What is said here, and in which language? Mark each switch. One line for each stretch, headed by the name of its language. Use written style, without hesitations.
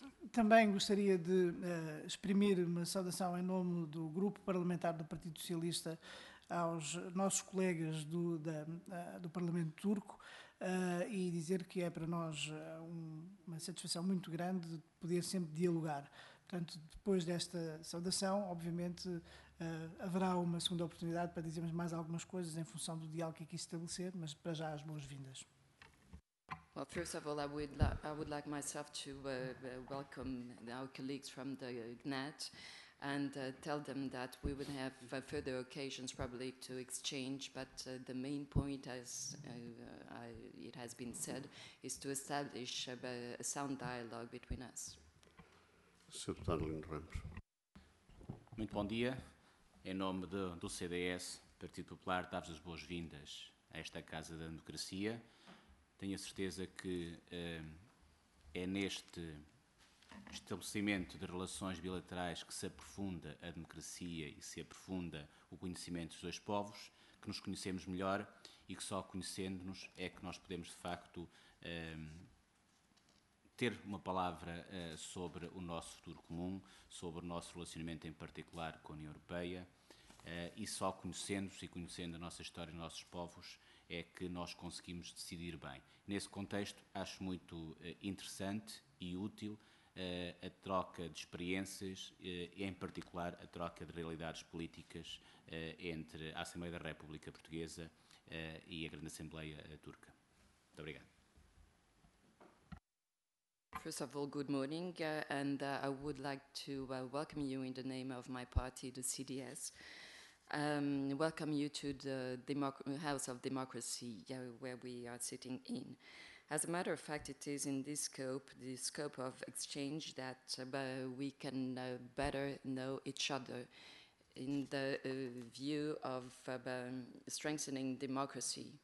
Portuguese: Também gostaria de exprimir uma saudação em nome do Grupo Parlamentar do Partido Socialista aos nossos colegas do Parlamento Turco e dizer que é para nós uma satisfação muito grande de poder sempre dialogar. Portanto, depois desta saudação, obviamente, haverá uma segunda oportunidade para dizermos mais algumas coisas em função do diálogo que aqui estabelecer, mas para já as boas-vindas.
English: Well, first of all, I would like myself to welcome our colleagues from the GNAT and tell them that we would have further occasions probably to exchange, but the main point, as it has been said, is to establish a sound dialogue between us.
Portuguese: Sr. Deputado Lino Ramos. Muito bom dia. Em nome do CDS, Partido Popular, dar-vos as boas-vindas a esta Casa da Democracia. Tenho a certeza que é neste estabelecimento de relações bilaterais que se aprofunda a democracia e se aprofunda o conhecimento dos dois povos, que nos conhecemos melhor e que só conhecendo-nos é que nós podemos, de facto, ter uma palavra sobre o nosso futuro comum, sobre o nosso relacionamento em particular com a União Europeia, e só conhecendo-nos e conhecendo a nossa história e os nossos povos é que nós conseguimos decidir bem. Nesse contexto, acho muito interessante e útil a troca de experiências, em particular a troca de realidades políticas entre a Assembleia da República Portuguesa e a Grande Assembleia Turca. Muito obrigado.
English: First of all, good morning, and I would like to welcome you in the name of my party, the CDS. Welcome you to the House of Democracy, where we are sitting in. As a matter of fact, it is in this scope, the scope of exchange, that we can better know each other in the view of strengthening democracy.